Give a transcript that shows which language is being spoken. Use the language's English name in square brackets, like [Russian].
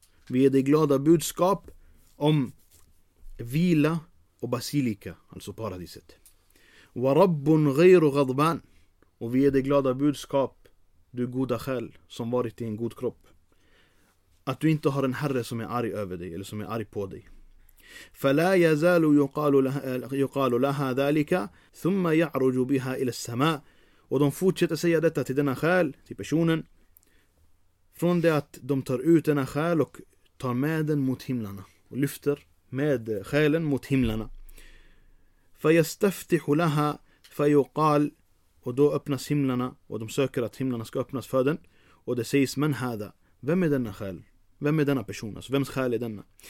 [Swedish] Vi ger dig glada budskap om vila och basilika, alltså paradiset. [Arabic] Wa rabbun ghayru ghadban. [Swedish] Och vi ger dig glada budskap, du goda själ, som varit i en god kropp. att du inte har en herre som är arg över dig eller som är arg på dig. [Arabic] فلا يزال يقال لها ذلك ثم يعرج بها الى السماء. [Swedish] Och de fortsätter säga detta till denna själ, till personen, från det att de tar ut denna själ och tar med den mot himlarna och lyfter med själen mot himlarna. [Arabic] فيستفتح لها فيقال, [Swedish] och då öppnas himlarna och de söker att himlarna ska öppnas för den, och det sägs man هذا, vem är denna själ, vem är denna person, alltså vems själ är denna?